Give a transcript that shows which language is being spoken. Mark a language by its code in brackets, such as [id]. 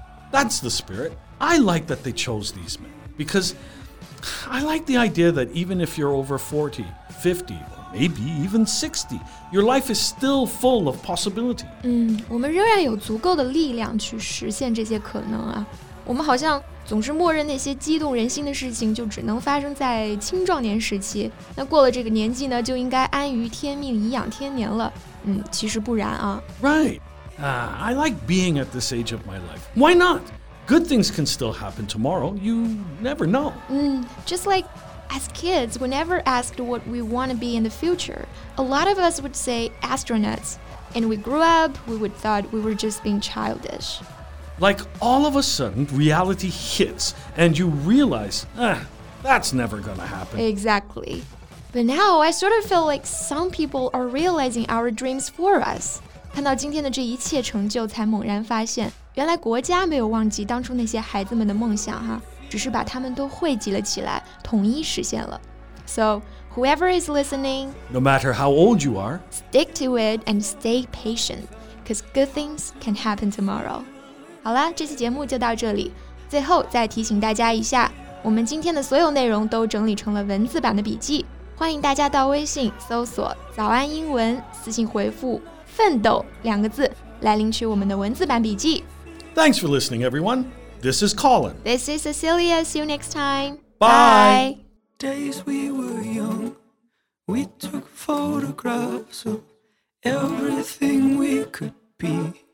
[en] That's the spirit. I like that they chose these men, becauseI like the idea that even if you're over 40, 50, or maybe even 60, your life is still full of possibility. [zh] 我们仍然有足够的力量去实现这些可能啊。我们好像总是默认那些激动人心的事情就只能发生在青壮年时期，那过了这个年纪呢，就应该安于天命，颐养天年了。其实不然啊。 [en] Right. I like being at this age of my life. Why not? Good things can still happen tomorrow. You never know. Just like as kids, we never asked what we want to be in the future. A lot of us would say astronauts. And we grew up, we would thought we were just being childish. Like all of a sudden, reality hits and you realize, that's never going to happen. Exactly. But now I sort of feel like some people are realizing our dreams for us. [zh] 看到今天的这一切成就才猛然发现。原来国家没有忘记当初那些孩子们的梦想哈，只是把他们都汇集了起来，统一实现了。 [en] So, whoever is listening, no matter how old you are, stick to it and stay patient, because good things can happen tomorrow. [zh] 好了，这期节目就到这里。最后再提醒大家一下，我们今天的所有内容都整理成了文字版的笔记，欢迎大家到微信搜索“早安英文”，私信回复“奋斗”两个字来领取我们的文字版笔记。 [en] Thanks for listening, everyone. This is Colin. This is Cecilia. See you next time. Bye. Days we were young, we took photographs of everything we could be.